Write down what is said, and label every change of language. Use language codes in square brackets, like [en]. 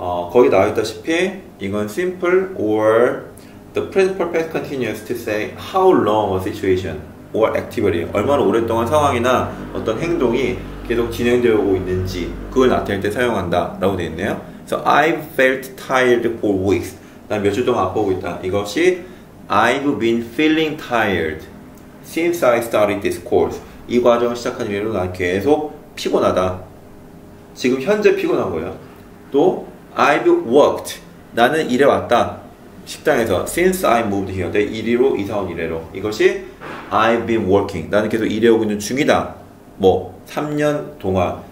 [ko] 거기 나와 있다시피 이건 [en] simple or the present perfect continuous to say how long a situation or activity, [ko] 얼마나 오랫동안 상황이나 어떤 행동이 계속 진행되고 있는지 그걸 나타낼 때 사용한다 라고 되어 있네요. [en] So I've felt tired for weeks. [ko] 난 며칠 동안 아파하고 있다. 이것이 [en] I've been feeling tired since I started this course. [ko] 이 과정을 시작한 이후로 난 계속 피곤하다. 지금 현재 피곤한 거예요. 또 [en] I've worked. [ko] 나는 일해왔다. 식당에서 [en] since I moved here. [ko] 내 이리로 이사 온 이래로. 이것이 [en] I've been working. [ko] 나는 계속 일해오고 있는 중이다. 뭐 3년 동안.